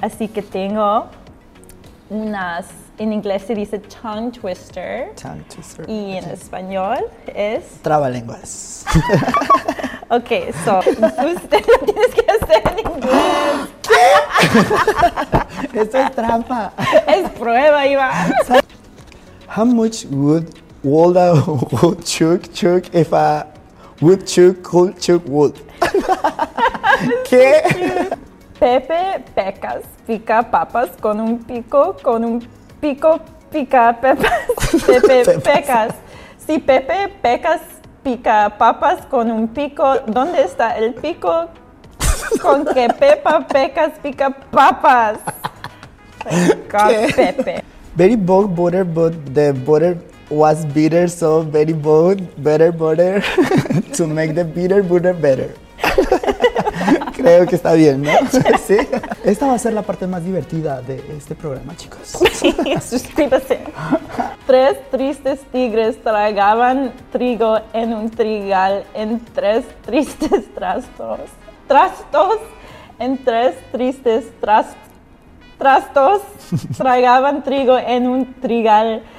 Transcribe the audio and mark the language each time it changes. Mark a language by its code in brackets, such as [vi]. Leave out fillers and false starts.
[es] Así que tengo unas, en inglés se dice tongue twister. [en] Tongue twister. [es] Y en español es... Trabalenguas. Ok, so, usted lo tienes que hacer en inglés. ¿Qué? Esto es trampa. Es prueba, Iván. [en] How much would a woodchuck chuck if a woodchuck could chuck wood? [es] ¿Qué? Pepe pecas pica papas con un pico, con un pico pica pepas. Pepe pecas. Si Pepe pecas pica papas con un pico, ¿dónde está el pico? Con que Pepa pecas pica papas. God, ¿qué? Pepe. [en] Very bold butter, but the butter was bitter, so very bold better butter to make the bitter butter better. [es] Creo que está bien, ¿no? Sí. Esta va a ser la parte más divertida de este programa, chicos. Suscríbase. Tres tristes tigres tragaban trigo en un trigal en tres tristes trastos. Trastos en tres tristes trastos tragaban trigo en un trigal.